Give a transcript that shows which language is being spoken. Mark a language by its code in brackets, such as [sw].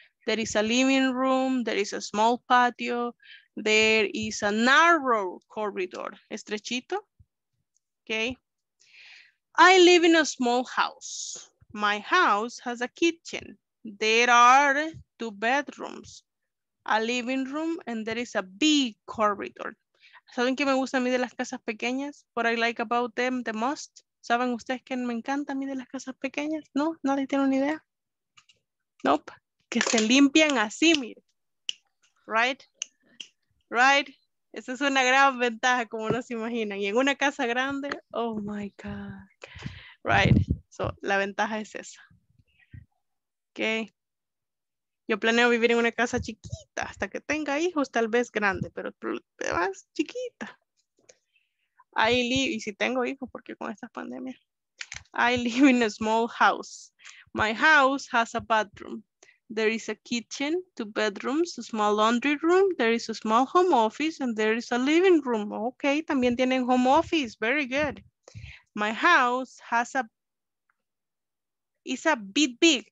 [en] There is a living room. There is a small patio. There is a narrow corridor. Estrechito. Okay. I live in a small house. My house has a kitchen. There are two bedrooms, a living room, and there is a big corridor. [es] ¿Saben qué me gusta a mí de las casas pequeñas? [en] What I like about them the most. [es] ¿Saben ustedes qué me encanta a mí de las casas pequeñas? ¿No? ¿Nadie tiene una idea? Nope. Que se limpian así, mire. Right? Right? Esa es una gran ventaja, como no se imaginan. Y en una casa grande, [en] oh my God. [es] Right. So, la ventaja es esa. Okay. Yo planeo vivir en una casa chiquita hasta que tenga hijos, tal vez grande, pero más chiquita. [en] I live, [es] y si tengo hijos, porque con esta pandemia. [en] I live in a small house. My house has a bathroom. There is a kitchen, two bedrooms, a small laundry room. There is a small home office and there is a living room. Okay, [es] también tienen home office. [en] Very good. My house has a It's a bit big.